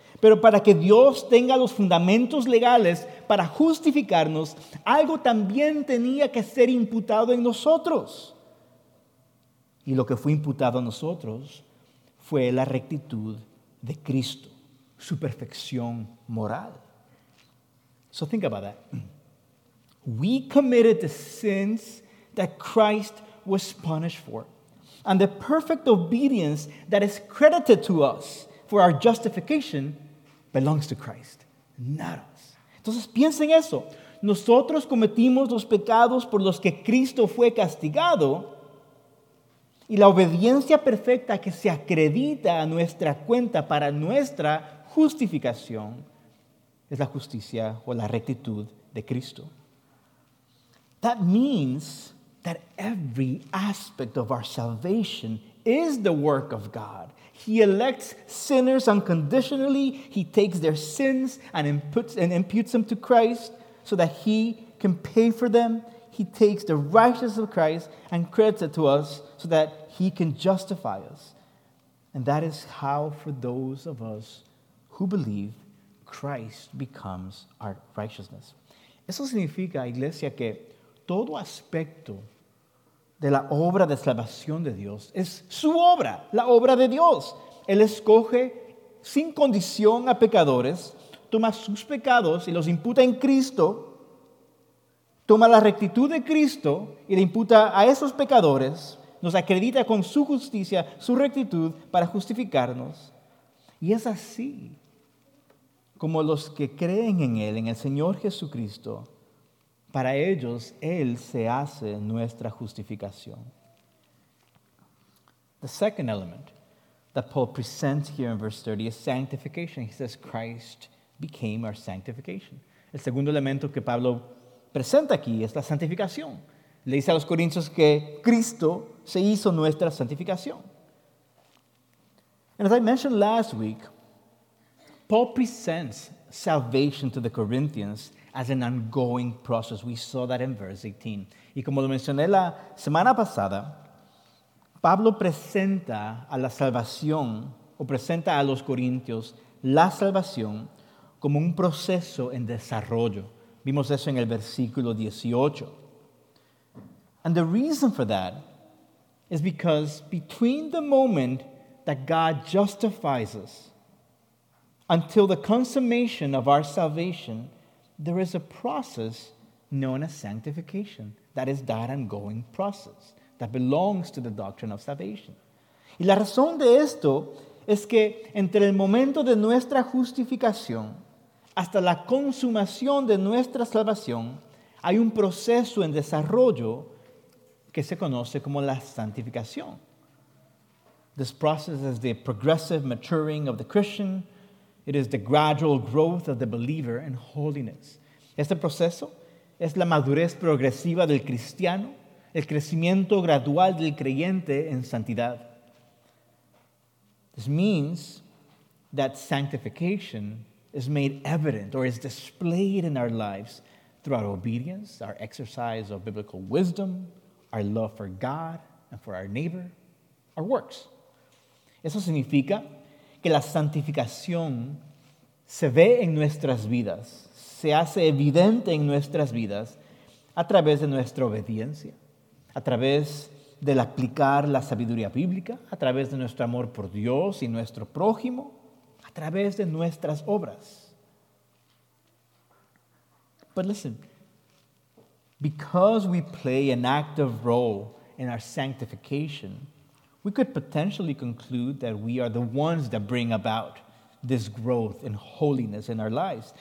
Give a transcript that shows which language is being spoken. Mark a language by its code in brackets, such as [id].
[es] Pero para que Dios tenga los fundamentos legales para justificarnos, algo también tenía que ser imputado en nosotros. Y lo que fue imputado a nosotros fue la rectitud de Cristo, su perfección moral. [en] So think about that. We committed the sins that Christ was punished for. And the perfect obedience that is credited to us for our justification belongs to Christ, not us. [es] Entonces piensen eso. Nosotros cometimos los pecados por los que Cristo fue castigado. Y la obediencia perfecta que se acredita a nuestra cuenta para nuestra justificación es la justicia o la rectitud de Cristo. [en] That means that every aspect of our salvation is the work of God. He elects sinners unconditionally. He takes their sins and imputes them to Christ so that he can pay for them. He takes the righteousness of Christ and credits it to us so that he can justify us. And that is how, for those of us who believe, Christ becomes our righteousness. [es] Eso significa, iglesia, que todo aspecto de la obra de salvación de Dios es su obra, la obra de Dios. Él escoge sin condición a pecadores, toma sus pecados y los imputa en Cristo. Toma la rectitud de Cristo y le imputa a esos pecadores nos acredita con su justicia, su rectitud para justificarnos. Y es así como los que creen en Él, en el Señor Jesucristo, para ellos Él se hace nuestra justificación. [en] The second element that Paul presents here in verse 30 is sanctification. He says Christ became our sanctification. [es] El segundo elemento que Pablo presenta aquí es la santificación. Le dice a los corintios que Cristo se hizo nuestra santificación. [en] And as I mentioned last week, Paul presents salvation to the Corinthians as an ongoing process. We saw that in verse 18. [es] Y como lo mencioné la semana pasada, Pablo presenta a la salvación, o presenta a los corintios, la salvación como un proceso en desarrollo. Vimos eso en el versículo 18. [en] And the reason for that is because between the moment that God justifies us until the consummation of our salvation, there is a process known as sanctification. That is that ongoing process that belongs to the doctrine of salvation. [es] Y la razón de esto es que entre el momento de nuestra justificación hasta la consumación de nuestra salvación, hay un proceso en desarrollo que se conoce como la santificación. [en] This process is the progressive maturing of the Christian. It is the gradual growth of the believer in holiness. [es] Este proceso es la madurez progresiva del cristiano, el crecimiento gradual del creyente en santidad. [en] This means that sanctification is made evident or is displayed in our lives through our obedience, our exercise of biblical wisdom, our love for God and for our neighbor, our works. [es] Eso significa que la santificación se ve en nuestras vidas, se hace evidente en nuestras vidas a través de nuestra obediencia, a través del aplicar la sabiduría bíblica, a través de nuestro amor por Dios y nuestro prójimo, a través de nuestras obras. [en] But listen, because we play an active role in our sanctification, we could potentially conclude that we are the ones that bring about this growth in holiness in our lives.